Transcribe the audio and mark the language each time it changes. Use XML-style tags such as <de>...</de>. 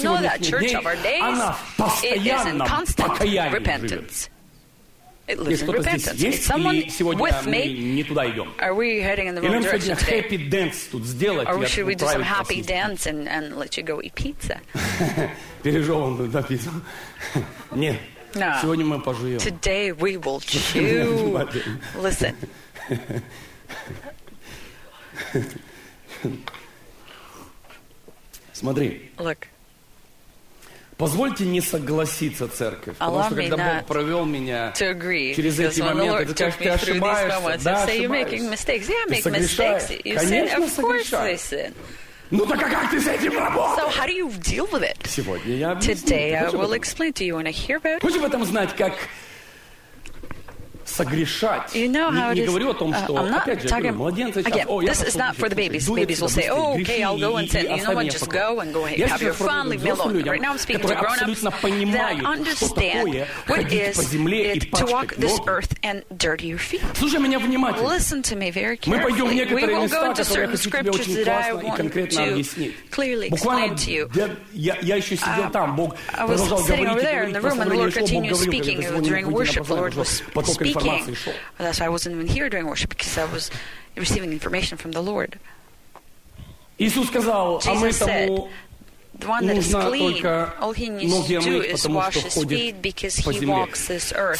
<ru>сегодняшних дней, она постоянно покаяние живет.</ru> <en>It lives in repentance. Есть someone with me? Are we heading in the wrong direction today?</en> <ru>Happy dance тут сделать,</ru> <en>or should we do some happy dance and let you go eat pizza?</en> <ru>Пережеванную да, пиццу. Нет.</ru> <en>No.</en> <ru>Сегодня мы пожуем.</ru> <en>Today we will chew. Listen.</en> <ru>Смотри.</ru> <en>Look.</en> <ru>Позвольте не согласиться, церковь, потому что когда Бог провел меня через эти моменты, ты ошибаешься, да, ошибаешься. Ну так а как ты с этим работаешь?</ru> <en>So how do you deal with it?</en> <ru>Сегодня я объясню.</ru> <en>Today I will explain to you and I hear about.</en> <ru>Хочешь об этом знать, как согрешать?</ru> <en>You know how</en> <ru>не говорю о том, что опять же младенцы сейчас.</ru> <en>Oh, this is not for the babies. Babies will say, oh, okay, I'll go and sin. You know what? Just go and go and have your fun, leave me alone. Right now I'm speaking to grown-ups that understand what it is to walk this earth and dirty your feet.</en> <ru>Слушай меня внимательно.</ru> <en>Listen to me very carefully. We will go into certain scriptures that I want to clearly explain to you.</en> <ru>Я еще сидел там, Бог продолжал говорить.</ru> <en>I was sitting over there in the room, and the Lord continued speaking during worship. The Lord was speaking. That's why I wasn't even here during worship because I was receiving information from the Lord. Jesus said, the one that is clean, all he needs to do is wash his feet because he walks this earth.</en>